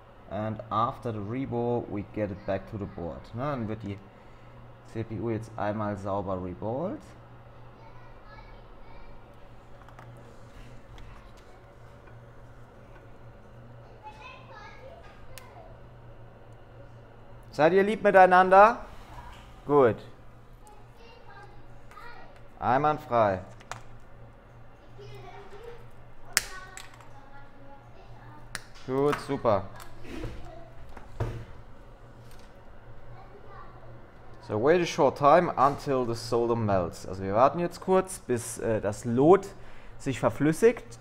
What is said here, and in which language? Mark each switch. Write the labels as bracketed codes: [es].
[en] And after the Rebo, we get it back to the board. [de] Na, dann wird die CPU jetzt einmal sauber reballed. Seid ihr lieb miteinander? Gut. Einwandfrei. Gut, super. [en] So, wait a short time until the solder melts. [de] Also wir warten jetzt kurz, bis das Lot sich verflüssigt.